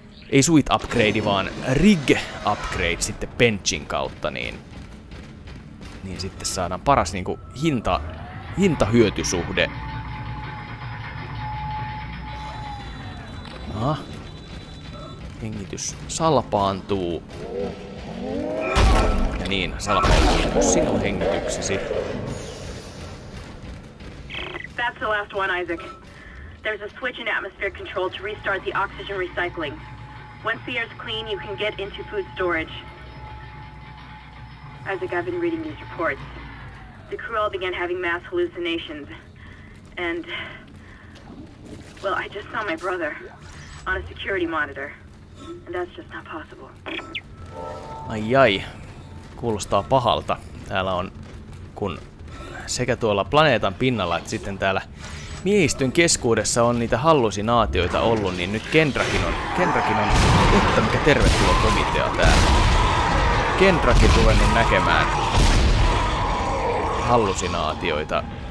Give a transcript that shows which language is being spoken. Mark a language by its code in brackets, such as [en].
[fi] Ei suit upgrade, vaan rig upgrade sitten benchin kautta, niin sitten saadaan paras niinku hinta-hyötysuhde. Hengitys salpaantuu. Ja niin, salpaantuu myös sinun hengityksesi. [en] That's the last one, Isaac. There's a switch in atmosphere control to restart the oxygen recycling. Once the air's clean, you can get into food storage. Isaac, I've been reading these reports. The crew all began having mass hallucinations. And, well, I just saw my brother on a security monitor. And that's just not possible. [fi] Ai, kuulostaa pahalta. Täällä on, kun sekä tuolla planeetan pinnalla, että sitten täällä miehistön keskuudessa on niitä hallusinaatioita ollut, niin nyt Kendrakin on, että mikä tervetuloa komitea täällä. Kendrakin tulee niin näkemään hallusinaatioita.